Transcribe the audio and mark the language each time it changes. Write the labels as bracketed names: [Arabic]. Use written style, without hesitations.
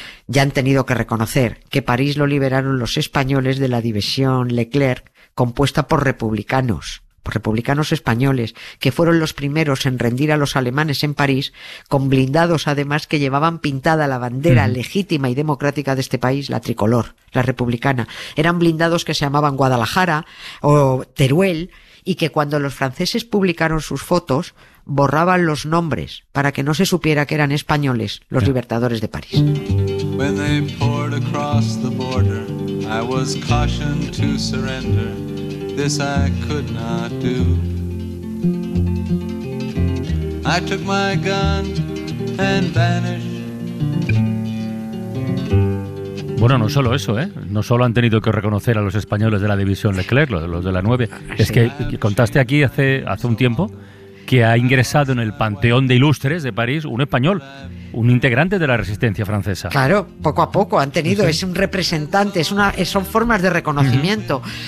[Spanish] Ya han tenido que reconocer que París lo liberaron los españoles de la división Leclerc, compuesta por republicanos españoles, que fueron los primeros en rendir a los alemanes en París, con blindados además que llevaban pintada la bandera legítima y democrática de este país, la tricolor, la republicana. Eran blindados que se llamaban Guadalajara o Teruel, y que cuando los franceses publicaron sus fotos, borraban los nombres para que no se supiera que eran españoles los libertadores de París. [English] When they poured across the border, I was cautioned to surrender. This I could not do. I took my gun and vanished. [Spanish] Bueno, no solo eso, ¿eh? No solo han tenido que reconocer a los españoles de la división Leclerc, los de la 9. Es que contaste aquí hace un tiempo que ha ingresado en el Panteón de Ilustres de París un español, un integrante de la resistencia francesa. Claro, poco a poco han tenido, es un representante, son formas de reconocimiento.